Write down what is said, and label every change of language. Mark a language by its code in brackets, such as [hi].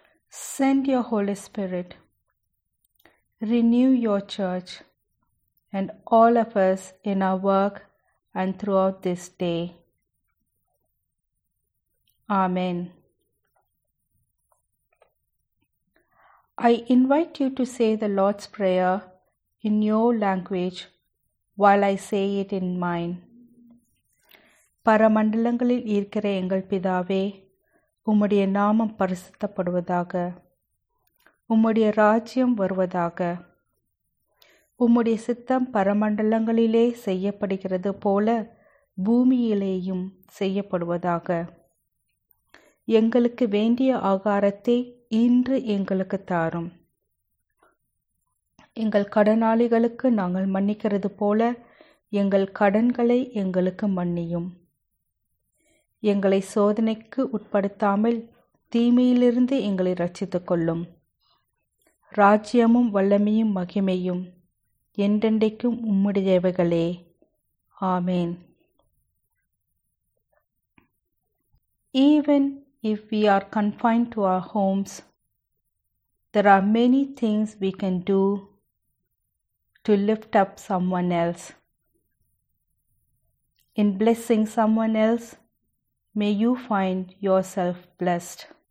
[en] Send your Holy Spirit. Renew your church and all of us in our work and throughout this day. Amen. I invite you to say the Lord's Prayer in your language while I say it in mine. [ta] பரமண்டலங்களில் இருக்கிற எங்கள் பிதாவே, உம்முடைய நாமம் பரிசுத்தப்படுவதாக, உம்முடைய ராஜ்யம் வருவதாக, உம்முடைய சித்தம் பரமண்டலங்களிலே செய்யப்படுகிறது போல பூமியிலேயும் செய்யப்படுவதாக, எங்களுக்கு வேண்டிய ஆகாரத்தை இன்று எங்களுக்கு தாரும். எங்கள் கடனாளிகளுக்கு நாங்கள் மன்னிக்கிறது போல எங்கள் கடன்களை எங்களுக்கு மன்னியும். எங்களை சோதனைக்கு உட்படுத்தாமல் தீமையிலிருந்து எங்களை இரட்சித்து கொள்ளும். ராஜ்யமும் வல்லமையும் மகிமையும் என்றென்றைக்கும் உம்முடையவைகளே. ஆமேன். [en] Even if we are confined to our homes, there are many things we can do to lift up someone else. In blessing someone else, may you find yourself blessed.